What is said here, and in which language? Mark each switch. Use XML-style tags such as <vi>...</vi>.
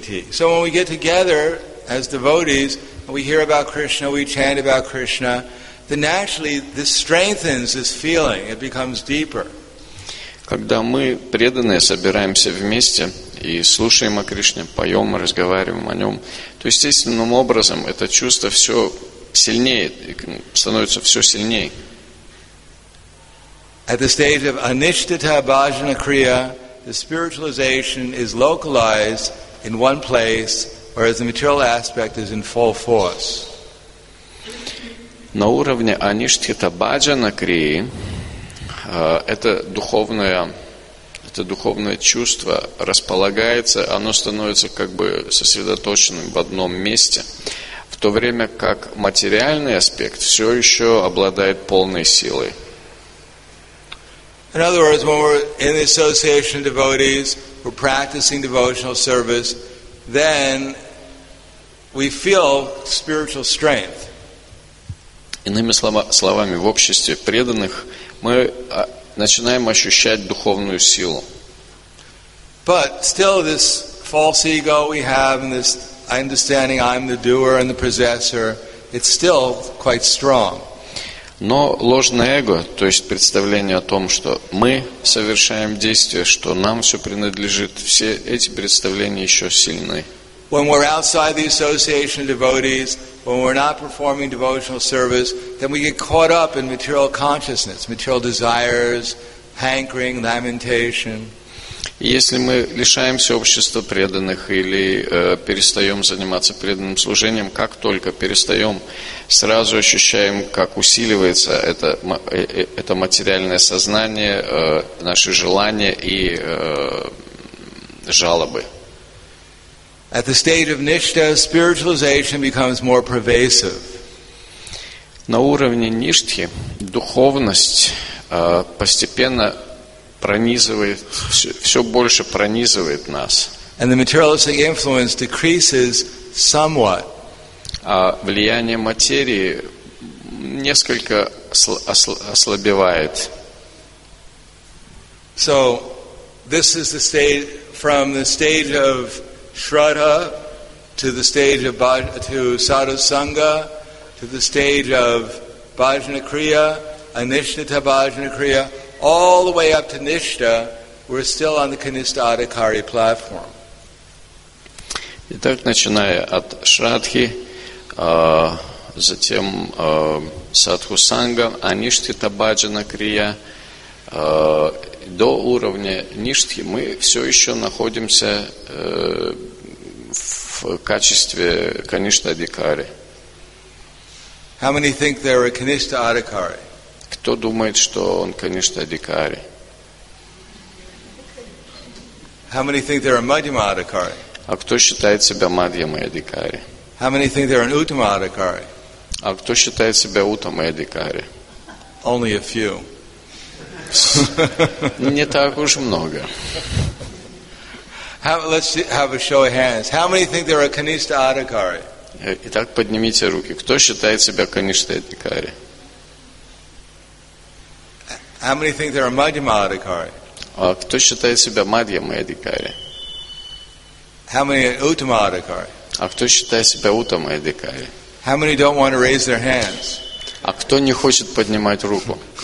<en>So when we get together as devotees, and we hear about Krishna, we chant about Krishna, then naturally this strengthens this feeling, it becomes deeper.</en> <ru>Когда мы преданные собираемся вместе и слушаем о Кришне, поем, разговариваем о нем, то естественным образом это чувство все сильнее, становится все сильнее.</ru> <en>At the stage of anishtita bhajana kriya, the spiritualization is localized in one place, whereas the material aspect is in full force.</en> <ru>На уровне аништхита баджана крии это духовное чувство располагается, оно становится как бы сосредоточенным в одном месте, в то время как материальный аспект все еще обладает полной силой.</ru> <en>In other words, when we're in the association of devotees, we're practicing devotional service, then we feel spiritual strength.</en> <ru>Иными словами, в обществе преданных мы начинаем ощущать духовную силу.</ru> <en>But still this false ego we have and this understanding I'm the doer and the possessor, it's still quite strong.</en> <ru>Но ложное эго, то есть представление о том, что мы совершаем действия, что нам все принадлежит, все эти представления еще сильны.</ru> <en>When we're outside the association of devotees, when we're not performing devotional service, then we get caught up in material consciousness, material desires, hankering, lamentation.</en> <ru>Если мы лишаемся общества преданных или перестаем заниматься преданным служением, как только перестаем, сразу ощущаем, как усиливается это материальное сознание, наши желания и жалобы.</ru> <en>At the stage of nishtha, spiritualization becomes more pervasive.</en> <ru>На уровне ништхи духовность постепенно пронизывает, все больше пронизывает нас.</ru> <en>And the materialistic influence decreases somewhat.</en> <ru>А влияние материи несколько ослабевает.</ru> <en>So, this is the stage, from the stage of Shraddha to the stage of Sadhusanga to the stage of Bhajana Kriya, Anishtita Bhajana Kriya, all the way up to Nishtha, we're still on the Kanishtha Adhikari platform.</en> <ru>Итак, начиная от Шрадхи, затем Садху Санга, Аништхита Баджана Крия, до уровня ништхи мы все еще находимся в качестве каништа адикари.</ru> <en>How many think they're a kanishta adhikari?</en> <ru>Кто думает, что он каништа адикари?</ru> <en>How many think they're a madhyama adhikari?</en> <ru>А кто считает себя мадхьяма адхикари?</ru> <en>How many think they're an uttama adhikari?</en> <ru>А кто считает себя уттама адхикари?</ru> <en>Only a few.</en> <ru>Не так уж много.</ru> <en>Let's have a show of hands. How many think they're a kanishta adhikari?</en> <ru>Итак, поднимите руки. Кто считает себя каништа адхикари?</ru> <en>How many think they're a madhyama adhikari?</en> <ru>А кто считает себя мадхьяма адхикари?</ru> <en>How many are uttama adhikari?</en> <ru>А кто считает себя уттама адхикари?</ru> <en>How many don't want to raise their hands?</en> <ru>А кто не хочет поднимать руку?</ru>